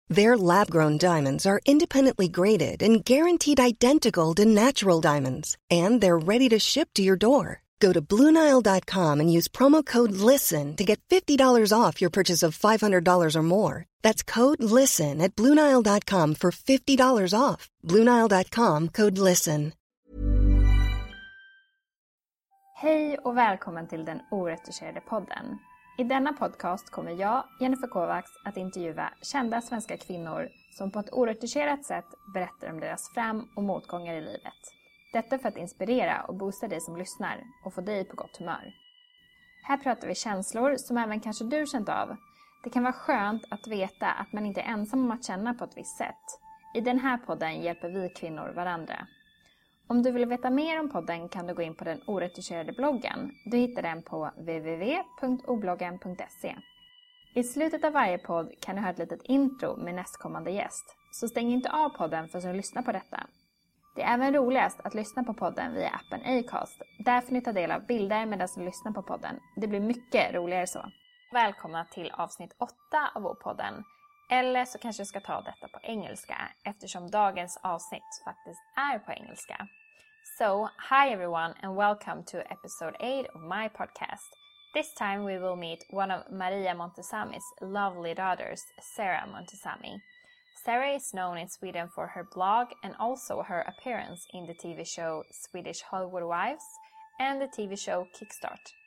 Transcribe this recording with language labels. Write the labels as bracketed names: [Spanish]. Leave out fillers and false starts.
[English] Their lab-grown diamonds are independently graded and guaranteed identical to natural diamonds, and they're ready to ship to your door. Go to BlueNile.com and use promo code LISTEN to get $50 off your purchase of $500 or more. That's code LISTEN at BlueNile.com for $50 off. BlueNile.com, code LISTEN. [Swedish] Hej och välkommen till den oretuscherade podden. I denna podcast kommer jag, Jennifer Kovacs, att intervjua kända svenska kvinnor som på ett oretuscherat sätt berättar om deras fram- och motgångar i livet. Detta för att inspirera och boosta dig som lyssnar och få dig på gott humör. Här pratar vi känslor som även kanske du känt av. Det kan vara skönt att veta att man inte är ensam om att känna på ett visst sätt. I den här podden hjälper vi kvinnor varandra. Om du vill veta mer om podden kan du gå in på den oretuscherade bloggen. Du hittar den på www.obloggen.se. I slutet av varje podd kan du höra ett litet intro med nästkommande gäst. Så stäng inte av podden för att lyssna på detta. Det är även roligast att lyssna på podden via appen Acast. Där får ni ta del av bilder med den som lyssnar på podden. Det blir mycket roligare så. Välkomna till avsnitt 8 av vår podden. Eller så kanske jag ska ta detta på engelska, eftersom dagens avsnitt faktiskt är på engelska. [English] So, hi everyone and welcome to episode 8 of my podcast. This time we will meet one of Maria Montesami's lovely daughters, Sarah Montesami. Sarah is known in Sweden for her blog and also her appearance in the TV show Swedish Hollywood Wives and the TV show Kickstart.